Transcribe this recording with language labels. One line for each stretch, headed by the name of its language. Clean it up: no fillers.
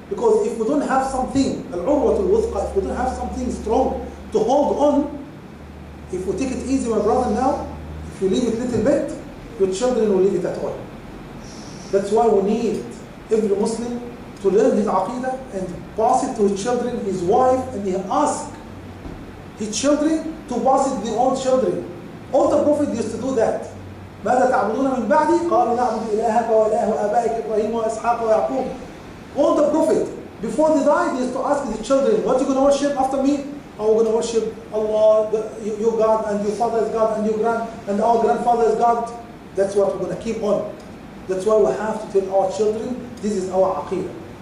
English: Because if we don't have something, al-urwatul wuthqa, if we don't have something strong to hold on, if we take it easy, my brother, now, if you leave it a little bit, your children will leave it at all. That's why we need every Muslim to learn his aqidah and pass it to his children, his wife, and he ask his children to pass it to their own children. All the Prophet used to do that.
Arabic: ماذا تعبدون من بعدي؟ قالوا نعبد إلهك وإله أبائك إبراهيم وإسحاق ويعقوب.
English: All the Prophet, before they died, he used to ask his children, what are you going to worship after me? Oh, we're going to worship Allah, your God, and your father's God, and our grandfather's God. That's what we're going to keep on. That's why we have to tell our children, this is our aqeedah.